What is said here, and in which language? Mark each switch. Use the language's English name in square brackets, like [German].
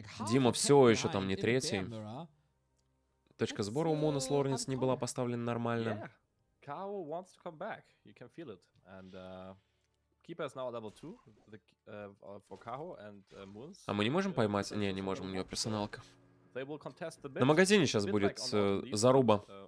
[Russian] Дима все еще там не третий. Точка сбора у Муна с Лорниц не была поставлена нормально. [English] Kao wants to come back. You can feel it. And, Keeper is now level 2 for Kaho and Moons. [Russian] А мы не можем поймать? Не, не можем, у нее персоналка. На магазине сейчас будет заруба.